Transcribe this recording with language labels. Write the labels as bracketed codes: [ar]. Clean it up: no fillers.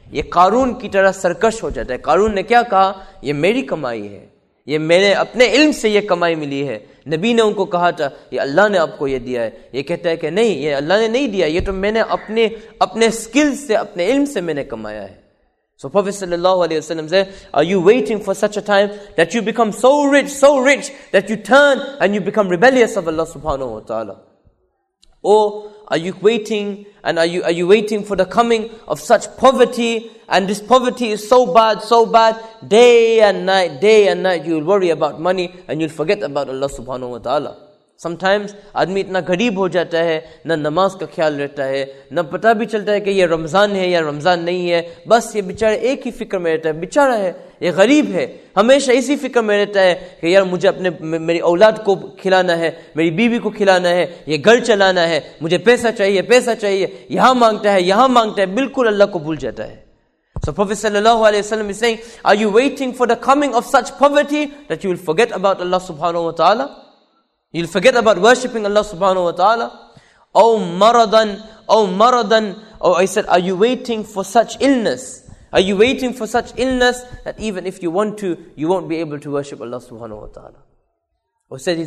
[ur] یہ قارون کی طرح سرکش ہو جاتا ہے. قارون نے کیا کہا, یہ میری کمائی ہے, یہ میرے اپنے علم سے یہ کمائی ملی ہے, نبی نے ان کو کہا تھا, یہ اللہ نے آپ کو یہ دیا ہے. یہ کہتا ہے کہ نہیں, یہ اللہ نے نہیں دیا, یہ تو میں نے اپنے سکل سے, اپنے علم سے میں نے کمایا ہے. [en] So Prophet sallallahu alayhi wa sallam said, are you waiting for such a time that you become so rich that you turn and you become rebellious of Allah subhanahu wa ta'ala? Or are you waiting and are you waiting for the coming of such poverty, and this poverty is so bad, day and night you'll worry about money and you'll forget about Allah subhanahu wa ta'ala. Sometimes [ur] آدمی اتنا غریب ہو جاتا ہے, نہ نماز کا خیال رہتا ہے, نہ پتہ بھی چلتا ہے کہ یہ رمضان ہے یا رمضان نہیں ہے, بس یہ بیچارہ ایک ہی فکر میں رہتا ہے, بیچارہ ہے, یہ غریب ہے, ہمیشہ اسی فکر میں رہتا ہے کہ یار مجھے اپنے میری اولاد کو کھلانا ہے, میری بیوی کو کھلانا ہے, یہ گھر چلانا ہے, مجھے پیسہ چاہیے, یہاں مانگتا ہے, بالکل اللہ کو بھول جاتا ہے. [en] So Prophet sallallahu alayhi wa sallam is saying, are you waiting for the coming of such poverty that you will forget about Allah subhanahu wa ta'ala? You'll forget about worshipping Allah subhanahu wa ta'ala. Oh maradan. Oh, I said, are you waiting for such illness? Are you waiting for such illness that even if you want to, you won't be able to worship Allah subhanahu wa ta'ala?